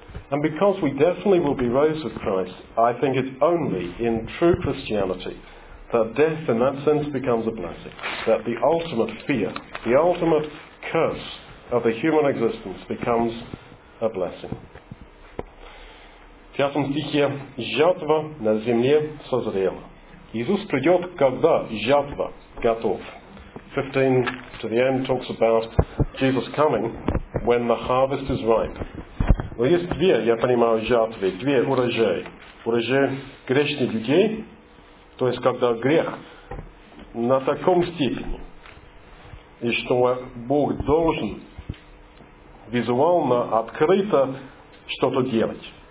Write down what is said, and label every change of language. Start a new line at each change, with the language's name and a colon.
English: And because we definitely will be raised with Christ, I think it's only in true Christianity that death in that sense becomes a blessing. That the ultimate fear, the ultimate curse of the human existence becomes a blessing.
Russian: В пятом стихе «Жатва на земле созрела». Иисус придет, когда жатва готов.
English: 15 to the end talks about Jesus coming when the harvest is ripe.
Russian: Но есть две, я понимаю, жатвы, две урожаи. Урожаи грешных людей, то есть когда грех на таком степени, и что Бог должен визуально, открыто что-то делать.